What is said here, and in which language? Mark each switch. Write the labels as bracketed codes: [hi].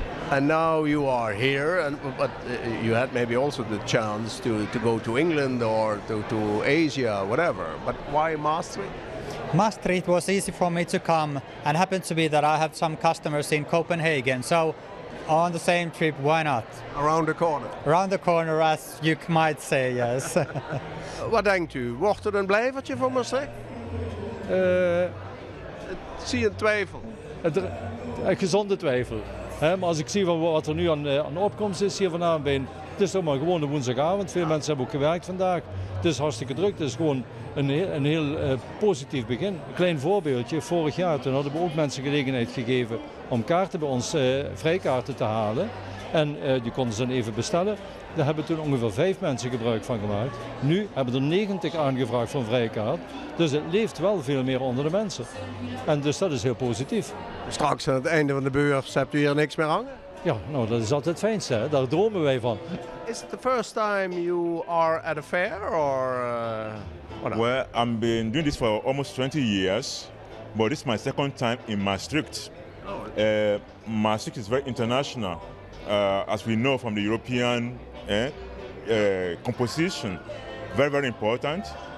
[en] And now you are here, but you had maybe also the chance to go to England or to Asia, whatever. But why Maastricht? Maastricht was easy for me to come, and happened to be that I have some customers in Copenhagen. So on the same trip, why not? Around the corner. Around the corner, as you might say, yes. [nl] Wat denkt u? Wordt er een blijvertje voor Maastricht? Zie een twijfel. Een gezonde twijfel. Maar als ik zie wat er nu aan opkomst is hier vanavond, het is toch maar gewoon een woensdagavond. Veel mensen hebben ook gewerkt vandaag. Het is hartstikke druk. Het is gewoon een heel positief begin. Een klein voorbeeldje. Vorig jaar toen hadden we ook mensen gelegenheid gegeven om kaarten bij ons, vrijkaarten te halen. En die konden ze dan even bestellen. Daar hebben toen ongeveer 5 mensen gebruik van gemaakt. Nu hebben er 90 aangevraagd voor een vrijkaart. Dus het leeft wel veel meer onder de mensen. En dus dat is heel positief. Straks aan het einde van de beurs hebt u hier niks meer hangen? Ja, nou, dat is altijd het fijnste. Hè? Daar dromen wij van. [en] Is it the first time you are at a fair or? Well, I've been doing this for almost 20 years, but this is my second time in Maastricht. Maastricht is very international, as we know from the European composition. Very, very important.